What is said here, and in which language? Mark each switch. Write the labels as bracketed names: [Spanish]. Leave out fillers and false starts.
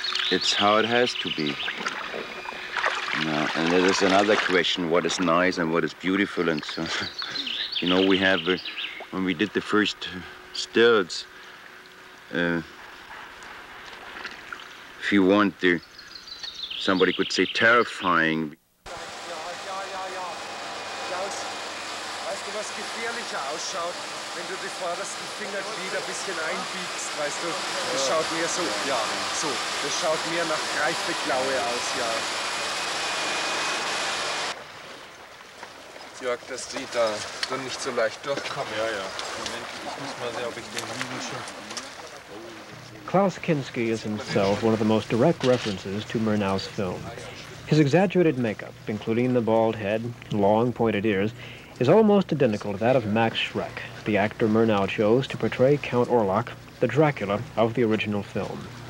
[English] It's how it has to be. Now, and there is another question, what is nice and what is beautiful and so on. You know, we have, when we did the first stills, if you want to, somebody could say terrifying. [German] Ja. Klaus, weißt du, was gefährlich ausschaut, wenn du die vordersten Fingerglieder ein bisschen einbiegst, weißt du? Das schaut mehr so, ja, so. Das schaut mehr nach Greifeklaue aus, ja. Jörg, dass die da dann nicht so leicht durchkommen. Ja. Moment, ich muss mal sehen, ob ich den Hügel schon. [English] Klaus Kinski is himself one of the most direct references to Murnau's film. His exaggerated makeup, including the bald head, long pointed ears, is almost identical to that of Max Schreck, the actor Murnau chose to portray Count Orlok, the Dracula of the original film.